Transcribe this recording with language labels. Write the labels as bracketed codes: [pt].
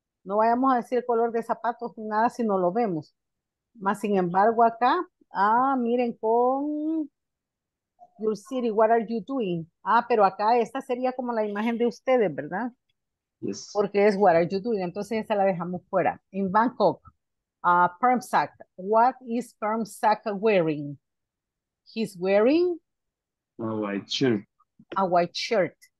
[es] No vayamos a decir color de zapatos ni nada si no lo vemos. Más sin embargo acá. [en] Ah, miren, con your city, what are you doing? [es] Ah, pero acá esta sería como la imagen de ustedes, ¿verdad? [en] Yes. Porque es what are you doing, entonces esa la dejamos fuera. In Bangkok, Permsak, what is Permsak wearing? He's wearing a white shirt. A white shirt.